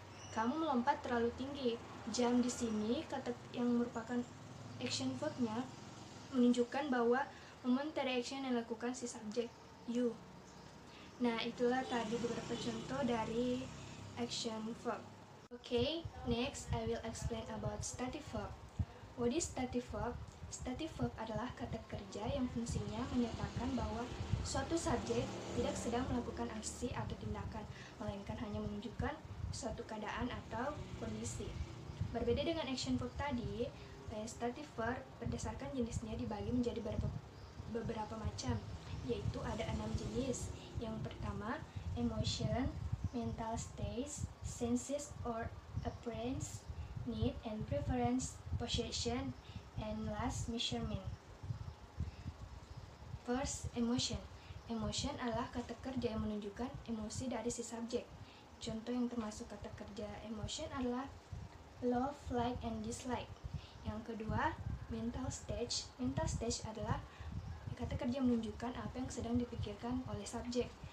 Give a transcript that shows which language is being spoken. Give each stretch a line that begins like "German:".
Indonesian: Kamu melompat terlalu tinggi. Jump di sini kata yang merupakan action verb-nya menunjukkan bahwa momentary action yang dilakukan si subjek you. Nah, itulah tadi beberapa contoh dari action verb.
English: Okay, next I will explain about stative verb. What is stative verb?
Indonesian: Stative verb adalah kata kerja yang fungsinya menyatakan bahwa suatu subjek tidak sedang melakukan aksi atau tindakan, melainkan hanya menunjukkan suatu keadaan atau kondisi. Berbeda dengan action verb tadi, stative verb berdasarkan jenisnya dibagi menjadi beberapa macam, yaitu ada 6 jenis. Yang pertama,
English: emotion, mental states, senses or appearance, need and preference, possession, and last measurement. First, emotion.
Indonesian: Emotion adalah kata kerja yang menunjukkan emosi dari si subjek. Contoh yang termasuk kata kerja emotion adalah
English: love, like, and dislike.
Indonesian: Yang kedua, mental state. Mental state adalah kata kerja menunjukkan apa yang sedang dipikirkan oleh subjek.